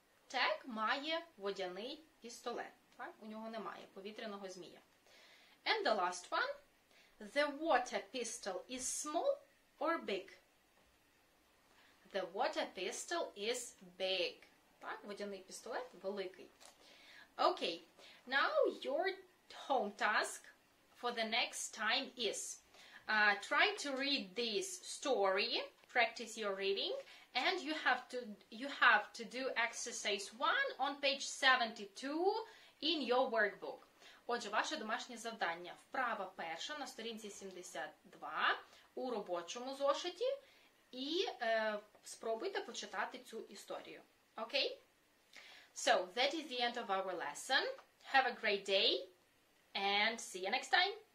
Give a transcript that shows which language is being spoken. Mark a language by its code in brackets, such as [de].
[uk] Так, має водяний пістолет. Так, у нього немає повітряного змія. [en] And the last one. The water pistol is small or big? The water pistol is big. [uk] Так, водяний пістолет великий. [en] Okay, now your home task for the next time is try to read this story, practice your reading, and you have to do exercise 1 on page 72 in your workbook. [uk] Отже, ваше домашнє завдання. Вправа перша на сторінці 72 у робочому зошиті. І спробуйте почитати цю історію. [en] Okay? So, that is the end of our lesson. Have a great day and see you next time.